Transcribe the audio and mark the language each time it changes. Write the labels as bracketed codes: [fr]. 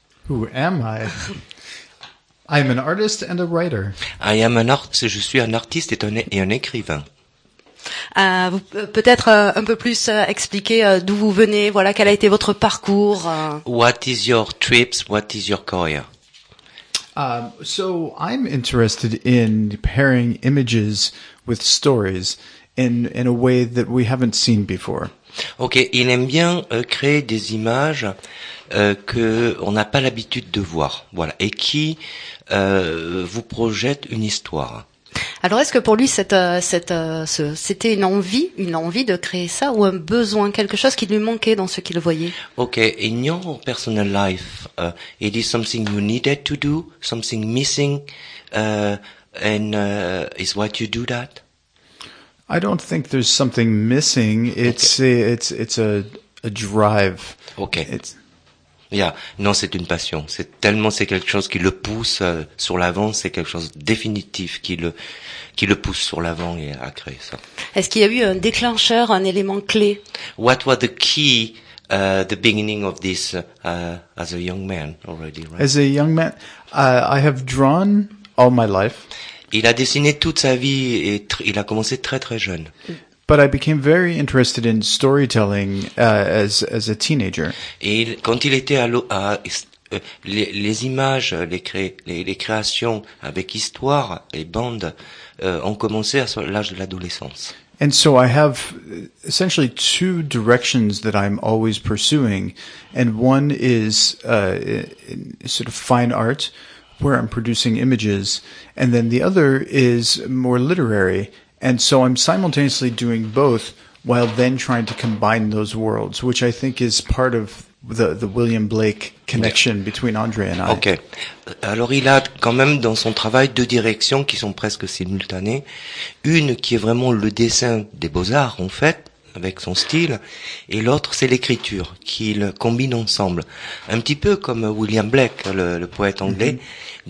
[en] Who am I? I am an artist and a writer. I am an artist. [fr] Je suis un artiste et un écrivain. Peut-être un peu plus expliquer d'où vous venez, voilà, quel a été votre parcours. [en] What is your trips? What is your career? So I'm interested in pairing images with stories in a way that we haven't seen before. [fr] Ok, il aime bien créer des images que on n'a pas l'habitude de voir, voilà, et qui vous projettent une histoire. Alors, est-ce que pour lui, c'était une envie de créer ça, ou un besoin, quelque chose qui lui manquait dans ce qu'il voyait? [en] Okay, in your personal life, it is something you needed to do, something missing, and is what you do that? I don't think there's something missing. It's a drive. [fr] Okay. Non, c'est une passion. C'est quelque chose qui le pousse sur l'avant. C'est quelque chose définitif qui le pousse sur l'avant et à créer ça. Est-ce qu'il y a eu un déclencheur, un élément clé? [en] What was the key, the beginning of this, as a young man already, right? As a young man, I have drawn all my life. [fr] Il a dessiné toute sa vie et il a commencé très très jeune. [en] But I became very interested in storytelling as a teenager. [fr] Et quand il était les images, les créations avec histoire et bandes ont commencé à l'âge de l'adolescence. [en] And so I have essentially two directions that I'm always pursuing, and one is sort of fine art, where I'm producing images, and then the other is more literary. And so I'm simultaneously doing both while then trying to combine those worlds, which I think is part of the William Blake connection between André and I. Okay. [fr] Alors il a quand même dans son travail deux directions qui sont presque simultanées. Une qui est vraiment le dessin des beaux-arts, en fait, avec son style. Et l'autre, c'est l'écriture qu'il combine ensemble. Un petit peu comme William Blake, le poète anglais. Mm-hmm.